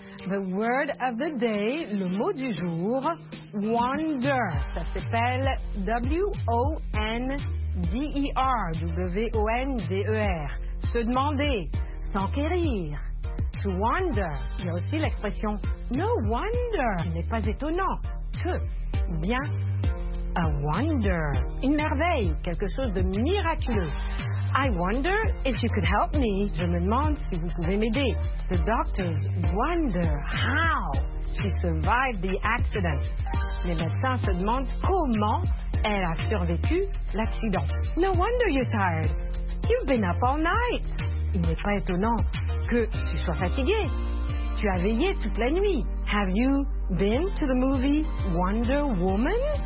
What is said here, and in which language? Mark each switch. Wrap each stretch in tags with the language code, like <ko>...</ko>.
<en>The word of the day,</en> <fr>le mot du jour, wonder, ça s'appelle W-O-N-D-E-R, W-O-N-D-E-R, se demander, s'enquérir.</fr> <en>To wonder,</en> <fr>il y a aussi l'expression</fr> <en>no wonder,</en> <fr>ce n'est pas étonnant, que, bien,</fr> <en>a wonder,</en> <fr>une merveille, quelque chose de miraculeux.</fr> <en>I wonder if you could help me,</en> <fr>je me demande si vous pouvez m'aider.</fr> <en>The doctors wonder how she survived the accident.</en> <fr>Les médecins se demandent comment elle a survécu l'accident.</fr> <en>No wonder you're tired, you've been up all night.</en> <fr>Il n'est pas étonnant que tu sois fatigué. Tu as veillé toute la nuit.</fr> <en>Have you been to the movie Wonder Woman?</en>